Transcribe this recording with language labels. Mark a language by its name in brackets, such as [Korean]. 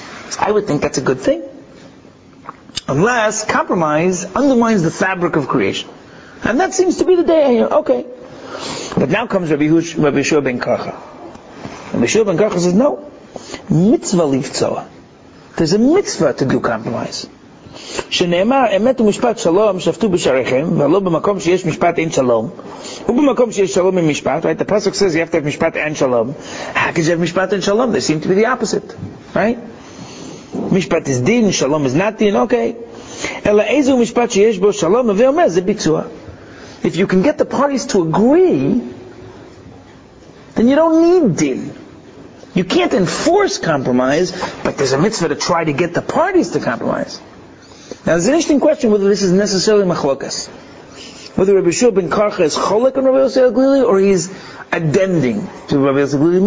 [English] So I would think that's a good thing. Unless compromise undermines the fabric of creation. And that seems to be the day I hear. Okay. But now comes Rabbi Yeshua ben Karcha. Rabbi Yeshua ben Karcha says, no. Mitzvah liftzoa. There's a mitzvah to do compromise. [Hebrew] שנאמר אמת ומשפט שלום שפטו בשעריכם ולא במקום שיש משפט אין שלום ובמקום שיש שלום אין משפט. [English] Right? The pasuk says you have to have [Hebrew] משפט אין שלום. [English] How can you have משפט אין שלום? They seem to be the opposite, right? משפט is din, שלום is not din, okay. [Hebrew] אלא איזו משפט שיש בו שלום ואומר זה ביצוע. [English] If you can get the parties to agree, then you don't need din. You can't enforce compromise, but there's a mitzvah to try to get the parties to compromise. Now, there's an interesting question whether this is necessarily machlokas. Whether Rabbi Yeshua ben Karcha is cholek on Rabbi Yossi HaGlili, or he's addending to Rabbi Yossi HaGlili.